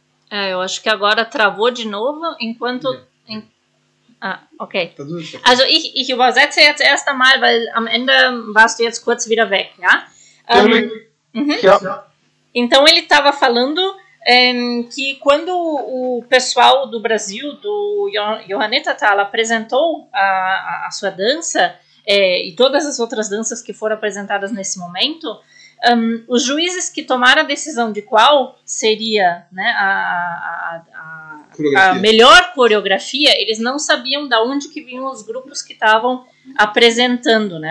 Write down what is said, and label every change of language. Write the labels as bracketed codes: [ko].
[pt] é, eu acho que agora travou de novo, enquanto... Ah, ok. [de] Also, ich übersetze jetzt erst einmal, weil am Ende warst du jetzt kurz wieder weg, ja? Ja. [pt] Então, ele estava falando que quando o pessoal do Brasil, do Johaneta Tal, apresentou a sua dança e todas as outras danças que foram apresentadas nesse momento... os juízes que tomaram a decisão de qual seria, né, a melhor coreografia, eles não sabiam de onde que vinham os grupos que estavam apresentando. Né?